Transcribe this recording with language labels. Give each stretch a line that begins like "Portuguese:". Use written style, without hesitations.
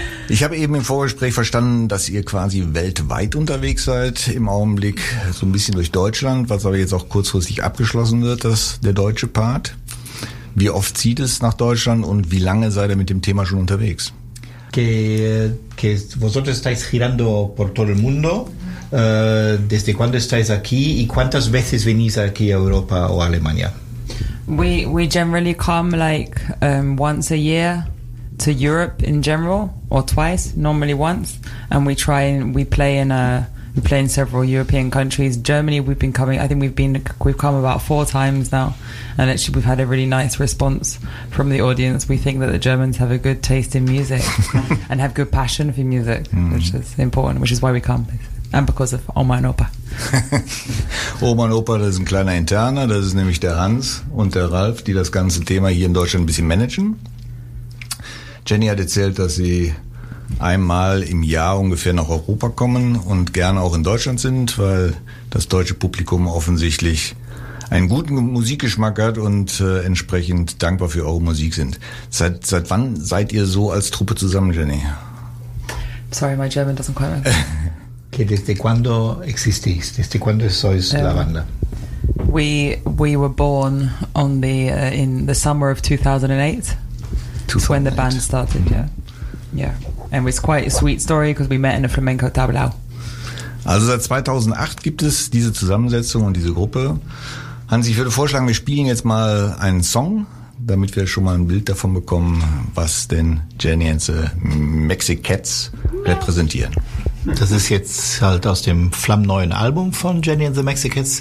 German: Ich habe eben im Vorgespräch verstanden, dass ihr quasi weltweit unterwegs seid, im Augenblick so ein bisschen durch Deutschland, was aber jetzt auch kurzfristig abgeschlossen wird, das der deutsche Part. Wie oft zieht es nach Deutschland und wie lange seid ihr mit dem Thema schon unterwegs?
Spanish: Que vosotros estáis girando por todo el mundo. Desde cuándo estáis aquí y cuántas veces venís aquí a Europa o a Alemania?
English: We generally come like once a year to Europe in general, or twice, normally once, and we play in several European countries. Germany, we've been coming. I think we've come about four times now, and actually we've had a really nice response from the audience. We think that the Germans have a good taste in music and have good passion for music, which is important, which is why we come. And because of
German: Oma und Opa. Oma und Opa, das ist ein kleiner Interner, das ist nämlich der Hans und der Ralf, die das ganze Thema hier in Deutschland ein bisschen managen. Jenny hat erzählt, dass sie einmal im Jahr ungefähr nach Europa kommen und gerne auch in Deutschland sind, weil das deutsche Publikum offensichtlich einen guten Musikgeschmack hat und entsprechend dankbar für eure Musik sind. Seit wann seid ihr so als Truppe zusammen, Jenny?
English: Sorry, my German doesn't quite work.
Spanish: Desde cuándo existís? Desde cuándo sois la banda?
English: We were born on the in the summer of 2008. 2008. It's when the band started, yeah. And it's quite a sweet story because we met in a flamenco tablao.
German: Also seit 2008 gibt es diese Zusammensetzung und diese Gruppe. Hans, ich würde vorschlagen, wir spielen jetzt mal einen Song, damit wir schon mal ein Bild davon bekommen, was denn Jenny and the Mexicats repräsentieren. Das ist jetzt halt aus dem flammneuen Album von Jenny and the Mexicats.